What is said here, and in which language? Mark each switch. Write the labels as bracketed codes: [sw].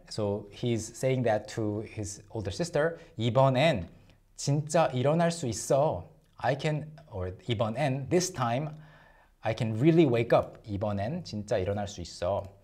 [en] So he's saying that to his older sister. [ko] 이번엔 진짜 일어날 수 있어. [en] I can, or 이번엔, this time, I can really wake up. [ko] 이번엔 진짜 일어날 수 있어.